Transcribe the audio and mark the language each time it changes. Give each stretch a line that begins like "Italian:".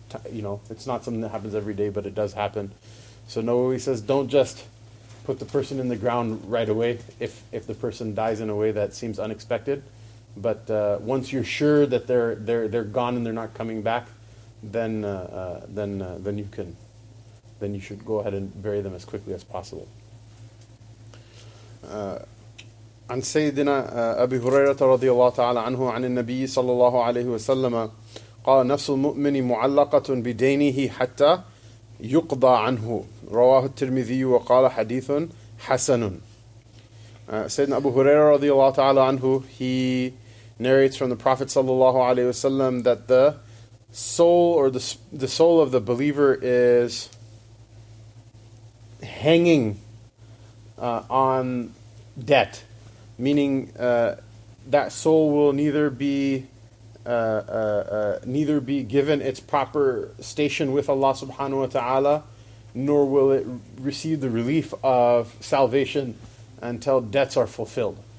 English: You know, it's not something that happens every day, but it does happen. So Nawawi says, don't just put the person in the ground right away if the person dies in a way that seems unexpected. But once you're sure that they're gone and they're not coming back, then you should go ahead and bury them as quickly as possible.
Arabic: عن سيدنا أبي هريرة رضي الله تعالى عنه عن النبي صلى الله عليه وسلم قال نفس المؤمن معلقة بدينه حتى يقضى عنه رواه الترمذي وقال حديث حسن. سيدنا أبو هريرة رضي الله تعالى عنه,
English: he narrates from the Prophet sallallahu alaihi wasallam that the soul, or the soul of the believer, is hanging on debt, meaning that soul will neither be given its proper station with Allah subhanahu wa ta'ala, nor will it receive the relief of salvation until debts are fulfilled.